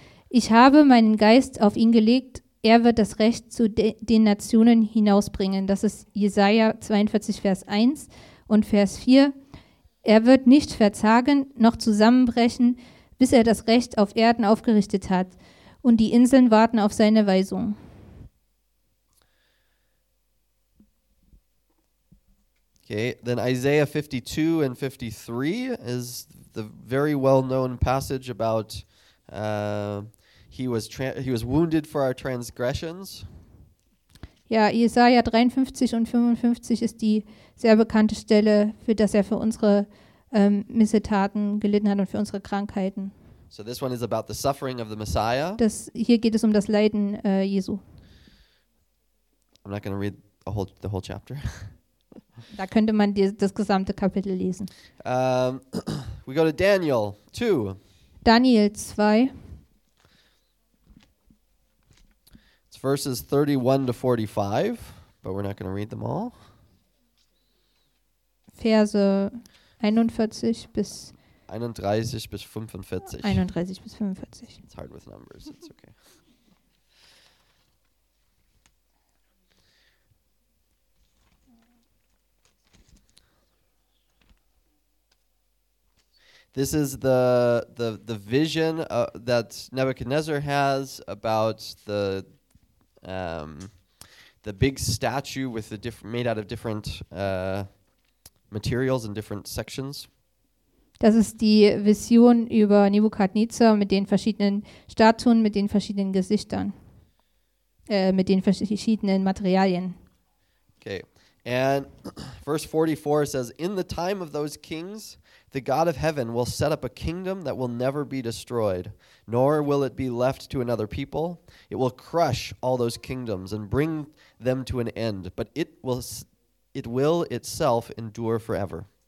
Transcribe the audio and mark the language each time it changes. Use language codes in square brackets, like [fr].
[de] Ich habe meinen Geist auf ihn gelegt, er wird das Recht zu den Nationen hinausbringen. Das ist Jesaja 42, Vers 1 und Vers 4. Er wird nicht verzagen, noch zusammenbrechen, bis er das Recht auf Erden aufgerichtet hat. Und die Inseln warten auf seine Weisung. [en] Okay, then Isaiah 52 and 53 is the very well-known passage about he was wounded for our transgressions. [de] Ja, Jesaja 53 und 55 ist die sehr bekannte Stelle, für dass er für unsere Missetaten gelitten hat und für unsere Krankheiten. [en] So this one is about the suffering of the Messiah. [de] Das hier geht es um das Leiden Jesu. [en] I'm not going to read the whole chapter. [de] Da könnte man das gesamte Kapitel lesen. [en] We go to Daniel 2. [de] Daniel 2. [en] It's verses 31 to 45, but we're not going to read them all. [de] Verse 41 bis 31 bis 45. 31 bis 45. [en] It's hard with numbers, it's okay. This is the vision that Nebuchadnezzar has about the big statue with the made out of different materials and different sections. [de] Das ist die Vision über Nebukadnezar mit den verschiedenen Statuen, mit den verschiedenen Gesichtern, mit den verschiedenen Materialien. [en] Okay, and verse 44 says, in the time of those kings, the God of heaven will set up a kingdom that will never be destroyed, nor will it be left to another people. It will crush all those kingdoms and bring them to an end, but it will itself endure forever.